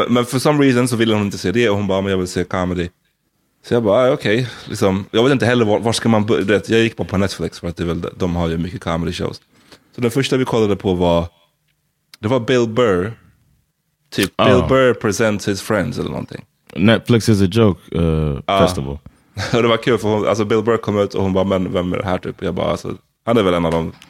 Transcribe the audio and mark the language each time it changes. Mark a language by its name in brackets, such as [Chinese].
[Swedish] Men [English] for some reason [Swedish] så ville hon inte se det, och hon bara, men jag vill se comedy. Så jag bara, okej, liksom, jag vet inte heller var ska man börja. Jag gick bara på Netflix, för att det väl, de har ju mycket comedy shows. Så den första vi kollade på var Bill Burr Typ Bill Burr presents his friends eller någonting. [English] Netflix is a joke festival. [Swedish] Och det var kul för hon, alltså Bill Burr kom ut och hon bara, men vem är det här typ? Jag bara, alltså, han är väl en av dem.